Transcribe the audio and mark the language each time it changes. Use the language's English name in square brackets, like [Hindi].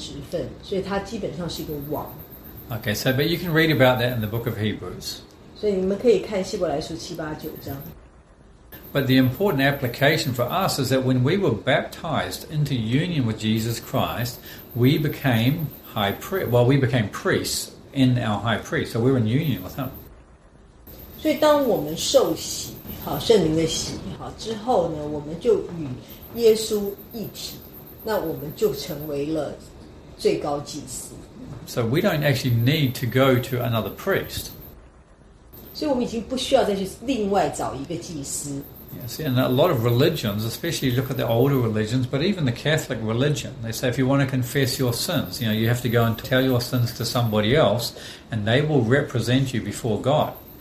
[Chinese] 在这个希伯来书里面说呢，耶稣基督呢，他的职分不是利未人的职分，而是来自麦基洗德的职分，所以他基本上是一个王。 [English] Okay, so but you can read about that in the book of Hebrews. [Chinese] 所以你们可以看希伯来书七八九章。 [English] But the important application for us is that when we were baptized into union with Jesus Christ, we became high priest. Well, we became priests in our high priest, so we're in union with him. [Chinese] 所以当我们受洗，好圣灵的洗，好之后呢，我们就与耶稣一体，那我们就成为了最高祭司。 [English] So we don't actually need to go to another priest. [Chinese] 所以我们已经不需要再去另外找一个祭司。 [English] Yes, and a lot of religions, especially look at the older religions, but even the Catholic religion, they say if you want to confess your sins, you know, you have to go and tell your sins to somebody else, and they will represent you before God.